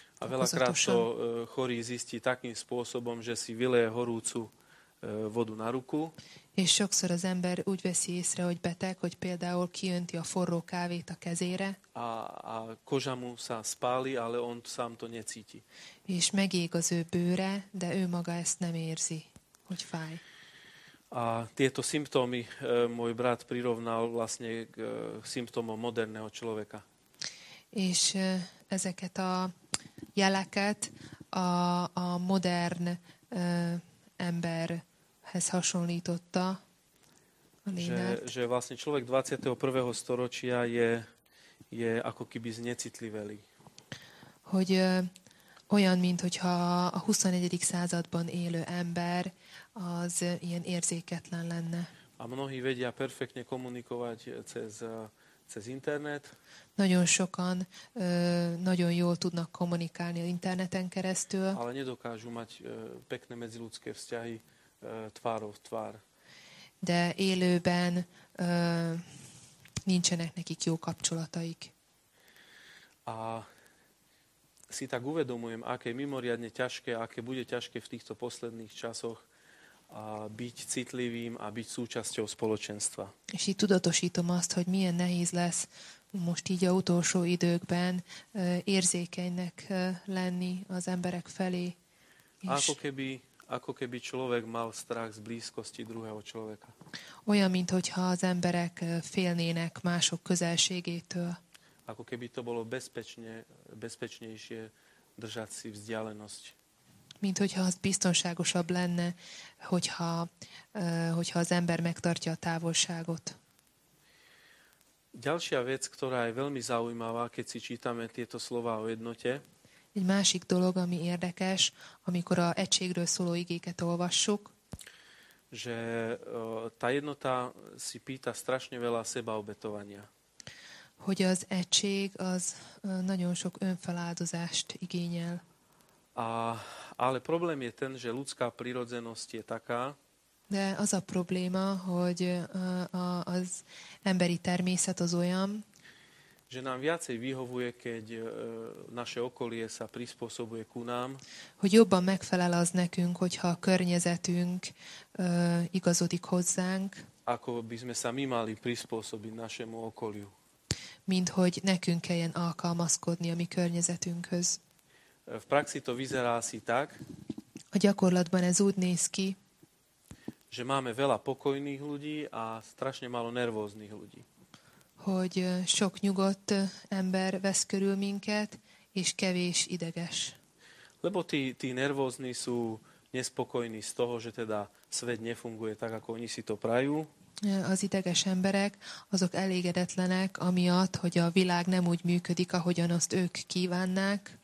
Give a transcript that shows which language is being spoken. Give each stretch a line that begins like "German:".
Slovak: A veľakrát to chorý zisti takým spôsobom, že si vyleje horúcu vodu na ruku.
Hungarian: És sokszor az ember úgy veszi észre, hogy beteg, hogy például kiönti a forró kávét a kezére.
Slovak: A koža mu sa spáli, ale on sám to necíti.
Hungarian: És megég az ő bőre, de ő maga ezt nem érzi, hogy fáj.
Slovak: A tieto symptómy môj brat prirovnal vlastne k symptómom moderného človeka.
Hungarian: És ezeket a jeleket a modern emberhez hasonlította a Lénárd.
Slovak: Že vlastne človek 21. storočia je ako keby znecitlivelý.
Hungarian: Hogy olyan, mint hogyha a 21. században élő ember az ilyen érzéketlen lenne.
Slovak: A mnohí vedia perfektne komunikovať cez internet.
Hungarian: Nagyon sokan nagyon jól tudnak kommunikálni a interneten keresztül.
Slovak: Ale nedokážu mať pekné medziľudské vzťahy tvárov v tvár.
Hungarian: De élőben nincsenek nekik jó kapcsolataik.
Slovak: A si tak uvedomujem, aké mimoriadne ťažké, aké bude ťažké v týchto posledných časoch byť citlivým a byť súčasťou spoločenstva.
Hungarian: És így tudatosítom azt, hogy milyen nehéz lesz most így a utolsó időkben érzékenynek lenni az emberek felé.
Slovak: Ako keby človek mal strach z blízkosti druhého človeka.
Hungarian: Olyan, mint hogyha az emberek félnének mások közelségétől.
Slovak: Ako keby to bolo bezpečnejšie držať si vzdialenosť.
Hungarian: Mint hogyha az biztonságosabb lenne, hogyha az ember megtartja a távolságot.
Slovak: Ďalšia vec, ktorá je veľmi zaujímavá, keď si čítame tieto slová o jednote.
Hungarian: Egy másik dolog, ami érdekes, amikor a egységről szóló igéket olvassuk.
Slovak: Že tá jednota si pýta strašne veľa sebaobetovania.
Hungarian: Hogy az egység az nagyon sok önfeláldozást igényel.
Slovak: Ale problém je ten, že ľudská prirodzenosť je taká.
Hungarian: De az a probléma, hogy az emberi természet az olyan,
Slovak: že nám viacej vyhovuje, keď naše okolie sa prispôsobuje ku nám.
Hungarian: Hogy jobban megfelel az nekünk, hogyha a környezetünk igazodik hozzánk.
Slovak: Ako by sme sa my mali prispôsobiť našemu okoliu.
Hungarian: Mint hogy nekünk kelljen alkalmazkodni a mi környezetünkhöz.
Slovak: V praxi to vyzerá asi tak.
Hungarian: A gyakorlatban ez úgy néz ki,
Slovak: že máme veľa pokojných ľudí a strašne málo nervóznych ľudí.
Hungarian: hogy sok nyugodt ember vesz körül minket, és kevés ideges.
Slovak: Lebo tí nervózni sú nespokojní z toho, že teda svet nefunguje tak, ako oni si to prajú.
Hungarian: Az ideges emberek, azok elégedetlenek, amiatt, hogy a világ nem úgy működik, ahogyan azt ők kívánnák.